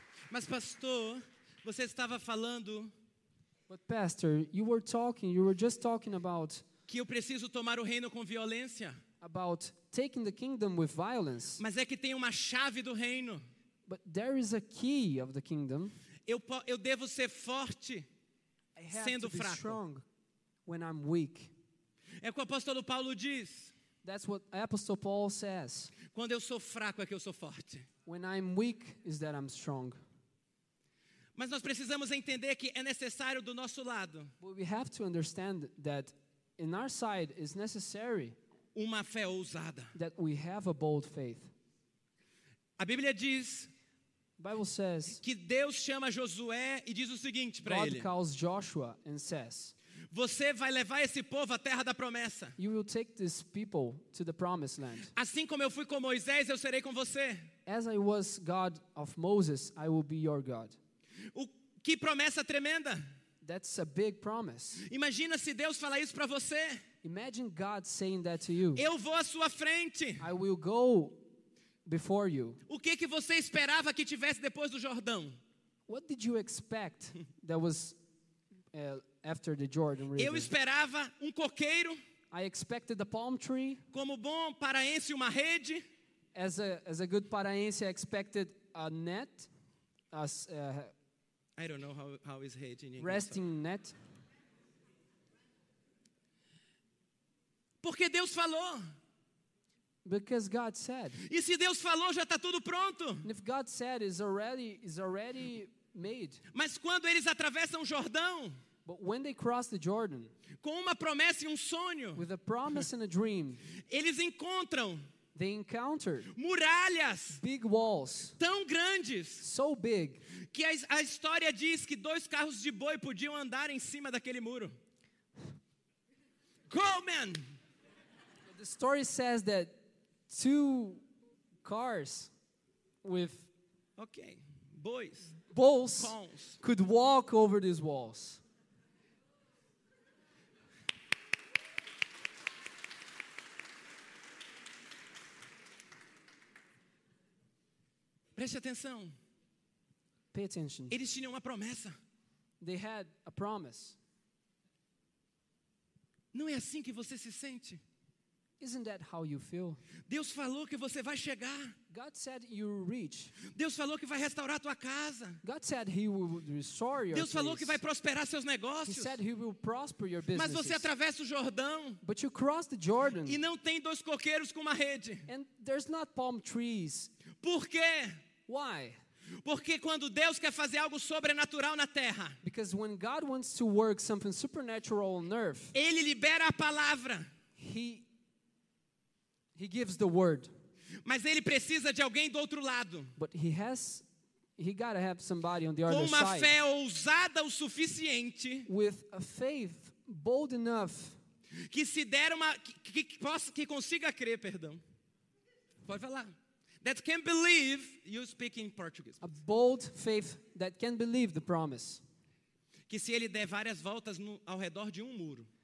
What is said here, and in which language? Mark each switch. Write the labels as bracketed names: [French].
[Portuguese] Mas pastor, você estava falando. [English] But pastor, you were just talking about [Portuguese] que eu preciso tomar o reino com violência. [English] About taking the kingdom with violence. [Portuguese] Mas é que tem uma chave do reino. [English] But there is a key of the kingdom. [Portuguese] Eu devo ser forte sendo fraco. [English] I have to be strong when I'm weak. [Portuguese] É o que o apóstolo Paulo diz. [English] That's what Apostle Paul says. [Portuguese] Quando eu sou fraco é que eu sou forte. [English] When I'm weak is that I'm strong. [Portuguese] Mas nós precisamos entender que é necessário do nosso lado. [English] But we have to understand that in our side is necessary. [Portuguese] Uma fé ousada. [English] That we have a bold faith. [Portuguese] A Bíblia diz. [English] Bible says. [Portuguese] Que Deus chama Josué e diz o seguinte para ele. [English] God calls Joshua and says. [Portuguese] Você vai levar esse povo à terra da promessa. [English] You will take this people to the promised land. [Portuguese] Assim como eu fui com Moisés, eu serei com você. [English] As I was God of Moses, I will be your God. [Portuguese] Que promessa tremenda. [English] That's a big promise. [Portuguese] Imagina se Deus falar isso para você. [English] Imagine God saying that to you. [Portuguese] Eu vou à sua frente. [English] I will go before you. [Portuguese] O que você esperava que tivesse depois do Jordão? [English] What did you expect that was after the Jordan River? [Portuguese] Eu esperava um coqueiro. [English] I expected a palm tree. [Portuguese] Como bom paraense, uma rede. [English] As a good paraense, I expected a net. I don't know how is hate in English. Resting net. [Portuguese] Porque Deus falou. [English] Because God said. [Portuguese] E se Deus falou, já está tudo pronto. [English] And if God said, it's already made. [Portuguese] Mas quando eles atravessam o Jordão. [English] But when they cross the Jordan. [Portuguese] Com uma promessa e um sonho. [English] With a promise and a dream. [Portuguese] Eles encontram. [English] They encountered [Portuguese] muralhas, [English] big walls, [Portuguese] tão grandes, [English] so big, [Portuguese] que a história diz que dois carros de boi podiam andar em cima daquele muro. Coleman. [English] The story says that two cars with bulls Pons. Could walk over these walls. [Portuguese] Preste atenção. [English] Pay attention. [Portuguese] Eles tinham uma promessa. [English] They had a promise. [Portuguese] Não é assim que você se sente? [English] Isn't that how you feel? [Portuguese] Deus falou que você vai chegar. [English] God said you reach. [Portuguese] Deus falou que vai restaurar tua casa. [English] God said he will restore your. [Portuguese] Deus falou que vai prosperar seus negócios. [English] He said he will prosper your businesses. [Portuguese] Mas você atravessa o Jordão. [English] But you cross the Jordan. [Portuguese] E não tem dois coqueiros com uma rede. [English] And there's not palm trees. [Portuguese] Por quê? [English] Why? [Portuguese] Porque quando Deus quer fazer algo sobrenatural na terra. [English] Because when God wants to work something supernatural on earth. [Portuguese] Ele libera a palavra. [English] He gives the word. [Portuguese] Mas ele precisa de alguém do outro lado. [English] But he gotta have somebody on the other side. [Portuguese] Com uma fé ousada o suficiente. [English] With a faith bold enough. [Portuguese] Que se der uma que consiga crer, perdão. Pode falar. [English] That can believe, you speak in Portuguese. A bold faith that can believe the promise. [Portuguese] que se ele der várias voltas no, ao redor de um muro.